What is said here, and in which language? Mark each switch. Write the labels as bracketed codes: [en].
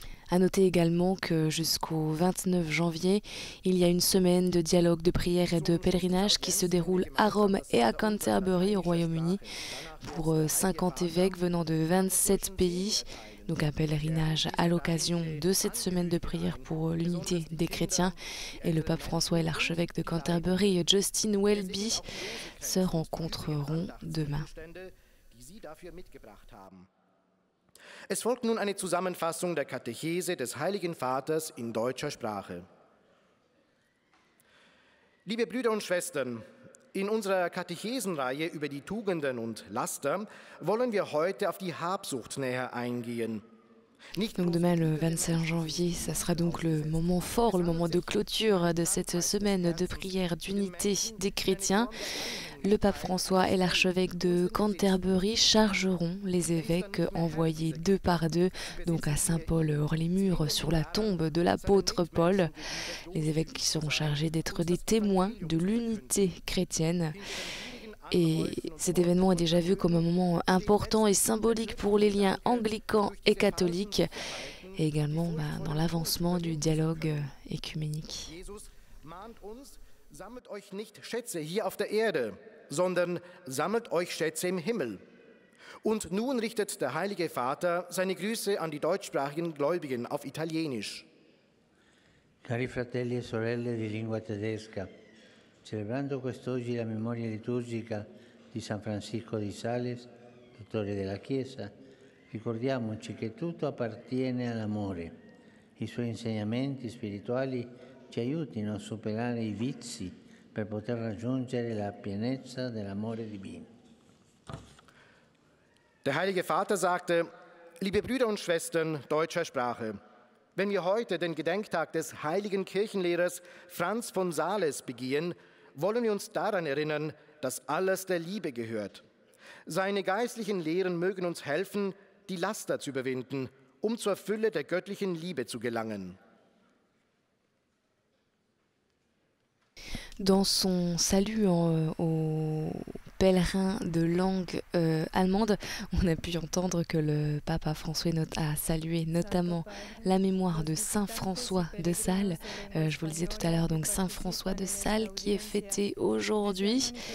[fr] À noter également que jusqu'au 29 janvier, il y a une semaine de dialogue, de prière et de pèlerinage qui se déroule à Rome et à Canterbury, au Royaume-Uni, pour 50 évêques venant de 27 pays. Donc un pèlerinage à l'occasion de cette semaine de prière pour l'unité des chrétiens. Et le pape François et l'archevêque de Canterbury, Justin Welby, se rencontreront demain. [de] Es folgt nun eine Zusammenfassung der Katechese des Heiligen Vaters in deutscher Sprache. Liebe Brüder und Schwestern, in unserer Katechesenreihe über die Tugenden und Laster wollen wir heute auf die Habsucht näher eingehen. [fr] Donc demain, le 25 janvier, ça sera donc le moment fort, le moment de clôture de cette semaine de prière d'unité des chrétiens. Le pape François et l'archevêque de Canterbury chargeront les évêques envoyés deux par deux, donc à Saint-Paul hors les murs, sur la tombe de l'apôtre Paul. Les évêques qui seront chargés d'être des témoins de l'unité chrétienne. Et cet événement est déjà vu comme un moment important et symbolique pour les liens anglicans et catholiques, et également dans l'avancement du dialogue œcuménique. [de] Jesus mahnt uns, sammelt euch nicht Schätze hier auf der Erde, sondern sammelt euch Schätze im Himmel. Und nun richtet der Heilige Vater seine Grüße an die deutschsprachigen Gläubigen auf Italienisch. [it] Cari fratelli e sorelle di lingua tedesca, celebrando quest'oggi la memoria liturgica di San Francisco di Sales, dottore della Chiesa, ricordiamoci che tutto appartiene all'amore. I suoi insegnamenti spirituali ci aiutino a superare i vizi per poter raggiungere la pienezza dell'amore divino. [de] Der Heilige Vater sagte, liebe Brüder und Schwestern deutscher Sprache, wenn wir heute den Gedenktag des heiligen Kirchenlehrers Franz von Sales begehen, wollen wir uns daran erinnern, dass alles der Liebe gehört. Seine geistlichen Lehren mögen uns helfen, die Laster zu überwinden, um zur Fülle der göttlichen Liebe zu gelangen. [fr] Dans son salut aux pèlerins de langue allemande, on a pu entendre que le pape François a salué notamment la mémoire de Saint François de Sales. Je vous le disais tout à l'heure, donc Saint François de Sales qui est fêté aujourd'hui.